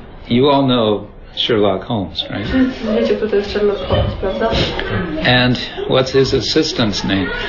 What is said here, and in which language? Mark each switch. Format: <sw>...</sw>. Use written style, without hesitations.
<en>You all know Sherlock Holmes, right?</en> <pl>Wiecie, kto to jest Sherlock Holmes, prawda?</pl> <en>And what's his assistant's name?</en>